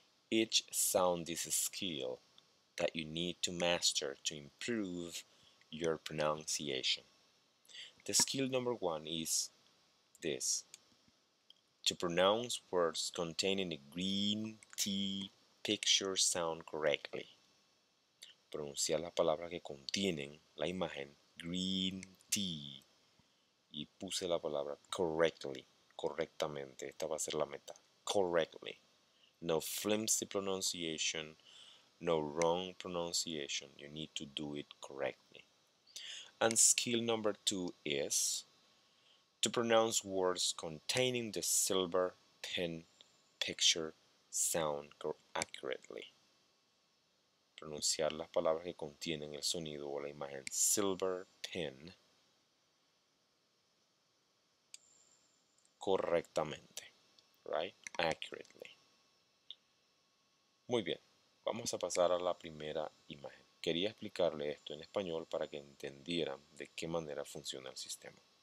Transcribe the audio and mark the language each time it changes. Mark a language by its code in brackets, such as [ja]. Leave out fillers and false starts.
[en] Each sound is a skill that you need to master to improve your pronunciation. The skill number one is this. To pronounce words containing a green tea picture sound correctly. [es] Pronunciar las palabras que contienen la imagen green tea. Y puse la palabra correctly, correctamente. Esta va a ser la meta. Correctly. [en] No flimsy pronunciation, no wrong pronunciation. You need to do it correctly. And skill number two is to pronounce words containing the silver pen picture sound accurately. [es] Pronunciar las palabras que contienen el sonido o la imagen silver pen correctamente, right? Accurately. Muy bien, vamos a pasar a la primera imagen. Quería explicarle esto en español para que entendieran de qué manera funciona el sistema.